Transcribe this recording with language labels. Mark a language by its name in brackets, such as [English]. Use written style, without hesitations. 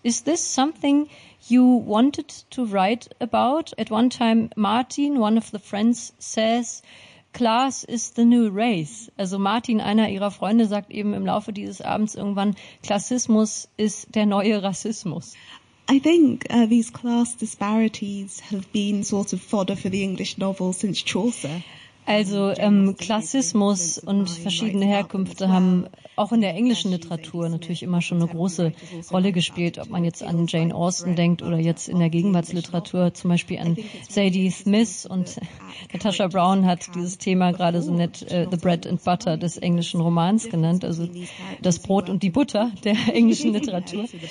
[English] Is this something you wanted to write about? At one time, Martin, one of the friends, says, Class is the new race. [German] Also Martin, einer ihrer Freunde, sagt eben im Laufe dieses Abends irgendwann, Klassismus ist der neue Rassismus. I think these class disparities have been sort of fodder for the English novel since Chaucer. Also Klassismus und verschiedene Herkünfte haben auch in der englischen Literatur natürlich immer schon eine große Rolle gespielt, ob man jetzt an Jane Austen denkt oder jetzt in der Gegenwartsliteratur zum Beispiel an Sadie Smith. Und Natasha Brown hat dieses Thema gerade so nett The Bread and Butter des englischen Romans genannt, also das Brot und die Butter der englischen Literatur.